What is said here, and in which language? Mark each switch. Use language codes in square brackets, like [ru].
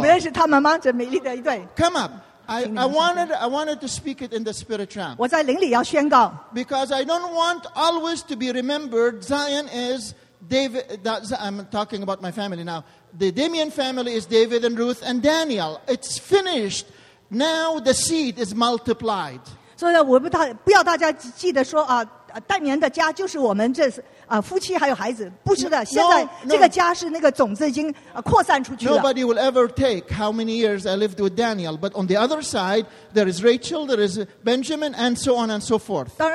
[en] Come up. I wanted to speak it in the spirit realm. Because I don't want always to be remembered. Zion is David. I'm talking about my family now. The Damien family is David and Ruth and Daniel. It's finished. Now the seed is multiplied. So that [zh] 我不要大家记得说啊，戴眠的家就是我们这夫妻还有孩子，不是的。现在这个家是那个种子已经扩散出去了。 [en] Nobody will ever take how many years I lived with Daniel, but on the other side there is Rachel, there is Benjamin, and so on and so forth.